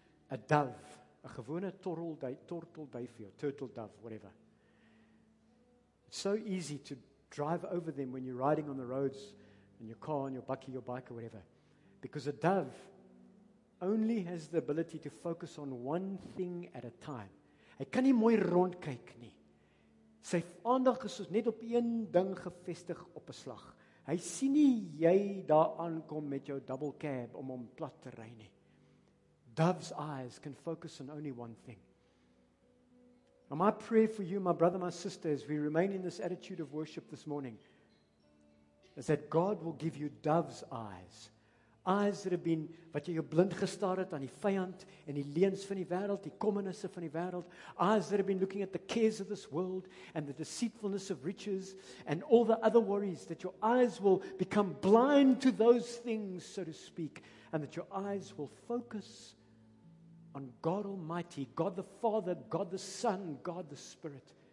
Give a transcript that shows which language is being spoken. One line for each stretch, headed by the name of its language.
English: A dove, a gewone turtle dove, whatever. It's so easy to drive over them when you're riding on the roads. And your car, and your bucky, your bike, or whatever. Because a dove only has the ability to focus on one thing at a time.
Afrikaans: Hy kan nie mooi rondkyk nie. Sy aandag is net op een ding gevestig op 'n slag. Hy sien nie jy daar aankom met jou double cab om hom plat te ry nie.
English: Dove's eyes can focus on only one thing. And my prayer for you, my brother, my sister, as we remain in this attitude of worship this morning, is that God will give you dove's eyes. Eyes that have been,
Afrikaans: wat jy jou blind gestaar het aan die vyand en die leens van die wêreld, die kommernisse van die wêreld.
English: Eyes that have been looking at the cares of this world and the deceitfulness of riches and all the other worries, that your eyes will become blind to those things, so to speak, and that your eyes will focus on God Almighty, God the Father, God the Son, God the Spirit.